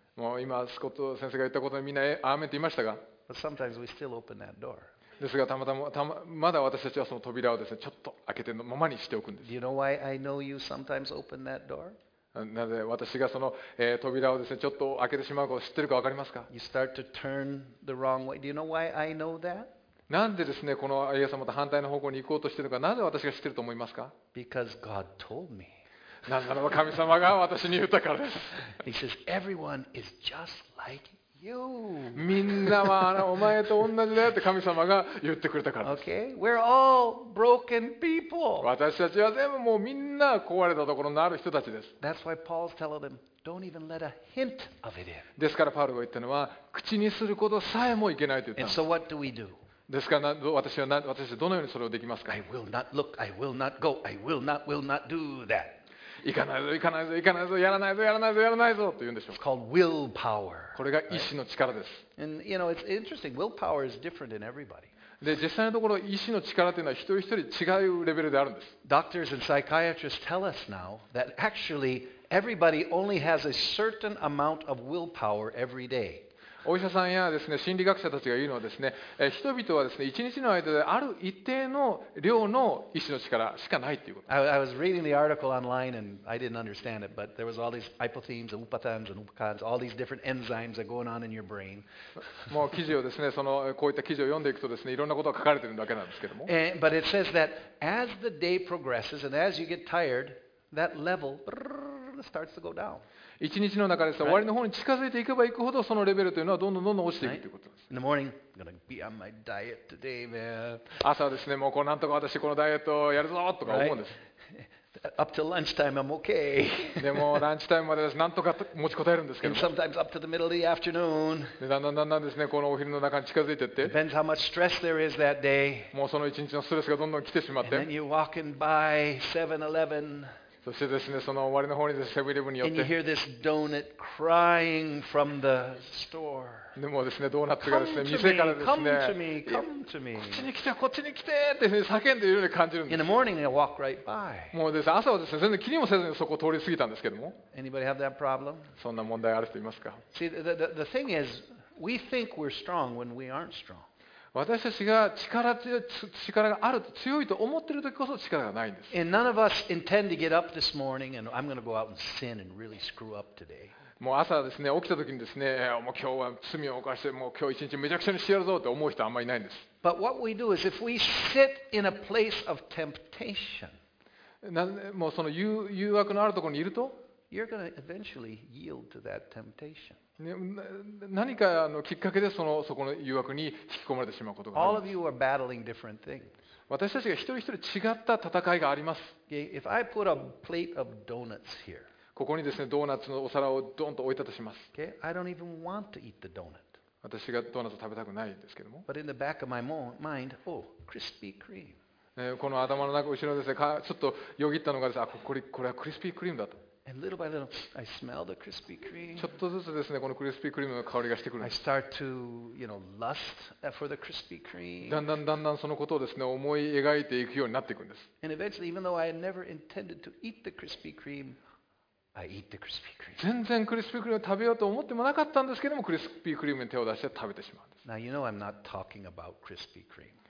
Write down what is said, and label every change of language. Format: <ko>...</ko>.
<ja>もう今、スコット先生が言ったことにみんなアーメンと言いましたが。</ja> <en>But sometimes we still open that door.</en> <ja>ですが、まだ私たちはその扉をですね、ちょっと開けてのままにしておくんです。</ja> <en>Do you know why I know you sometimes open that door?</en> <ja>なぜ私がその扉をですね、ちょっと開けてしまうことを知ってるか分かりますか？</ja> <en>You start to turn the wrong way. Do you know why I know that?</en> <ja>なんでですね、このイエス様と反対の方向に行こうとしてるか、なぜ私が知ってると思いますか？</ja> <en>Because God told me.</en> <ja>なぜならば神様が私に言ったからです。</ja> <en>He says, everyone is just like you.</en> <ja>みんなはお前と同じだよって神様が言ってくれたからです。</ja> <en>Okay, we're all broken people.</en> <ja>私たちは全部もうみんな壊れたところのある人たちです。</ja> <en>That's why Paul's telling them, don't even let a hint of it in.</en> <ja>ですからパウロが言ったのは、口にすることさえもいけないと言った</ja> <en>んです。And so what do we do?</en> <ja>ですから私はどのようにそれをできますか？</ja> <en>I will not look, I will not go, I will not do that.</en> <ja>行かないぞ、やらないぞと言うんでしょう。</ja> <en>It's called willpower.</en> <ja>これが意志の力です。</ja> <en>Right. And you know, it's interesting. Willpower is different in everybody.</en> <ja>で、実際のところ意志の力というのは一人一人違うレベルであるんです。</ja> <en>Doctors and psychiatrists tell us now that actually everybody only has a certain amount of willpower every day.</en> <ja>お医者さんやですね、心理学者たちが言うのはですね、人々はですね、一日の間である一定の量の意志の力しかないということ。</ja> <en>I was reading the article online and I didn't understand it, but there was all these hypothenes and upathans and upacans, all these different enzymes that are going on in your brain.</en> <ja>もう記事をですね、こういった記事を読んでいくとですね、いろんなことが書かれているわけなんですけども。</ja> <en>But it says that as the day progresses and as you get tired, that level starts to go down.</en> <ja>一日の中です。終わりの方に近づいていけばいくほど、そのレベルというのはどんどん落ちていくということです。</ja> <en>In the morning, I'm gonna be on my diet today, man.</en> <ja>朝ですね、もうこうなんとか私このダイエットをやるぞとか思うんです。</ja> <en>Up to lunchtime, I'm okay.</en> <ja>でもランチタイムまでです。なんとか持ちこたえるんですけど。</ja> <en>And sometimes up to the middle of the afternoon.</en> <ja>で、だんだんですね、このお昼の中に近づいていって。</ja> <en>Depends how much stress there is that day.</en> <ja>もうその一日のストレスがどんどん来てしまって。</ja> <en>And then you walk in by 7-Eleven.</en> <ja>そしてですね、その終わりの方にですね、セブンイレブンによって。</ja> <en>And you hear this donut crying from the store.</en> <ja>でもですね、ドーナツがですね、店からですね、</ja> <en>Come to me, come to me.</en> <ja>こっちに来て、こっちに来てって、ね、叫んでいるように感じるんです。</ja> <en>In the morning, I walk right by.</en> <ja>もうですね、朝はですね、全然気にもせずにそこを通り過ぎたんですけども。</ja> <en>Anybody have that problem?</en> <ja>そんな問題ある人いますか？</ja> <en>See, the thing is, we think we're strong when we aren't strong.</en> <ja>私たちが力があると強いと思っているときこそ力がないんです。</ja> <en>And none of us intend to get up this morning and I'm going to go out and sin and really screw up today.</en> <ja>もう朝ですね、起きたときにですね、もう今日は罪を犯して、もう今日一日めちゃくちゃにしてやるぞって思う人はあんまりいないんです。</ja> <en>But what we do is if we sit in a place of temptation,</en> <ja>もうその誘惑のあるところにいると、</ja> <en>you're going to eventually yield to that temptation.</en> <ja>何かのきっかけでそこの誘惑に引き込まれてしまうことがあります。</ja> <en>All of you are battling different things.</en> <ja>私たちが一人一人違った戦いがあります。</ja> <en>If I put a plate of donuts here,</en> <ja>ここにですね、ドーナツのお皿をドンと置いたとします。</ja> <en>Okay? I don't even want to eat the donut.</en> <ja>私がドーナツを食べたくないんですけども。</ja> <en>But in the back of my mind, oh, Krispy Kreme.</en> <ja>この頭の中後ろですね、ちょっとよぎったのがですね、これはクリスピークリームだと。</ja> <en>And little by little, I smell the crispy cream.</en> <ja>ちょっとずつですね、このクリスピークリームの香りがしてくるんです。</ja> <en>I start to, you know, lust for the crispy cream.</en> <ja>だんだんだんだんそのことをですね、思い描いていくようになっていくんです。</ja> <en>And eventually, even though I had never intended to eat the crispy cream, I eat the crispy cream.</en> <ja>全然クリスピークリームを食べようと思ってもなかったんですけども、クリスピークリームに手を出して食べてしまうんです。</ja> <en>Now you know I'm not talking about crispy cream.</en>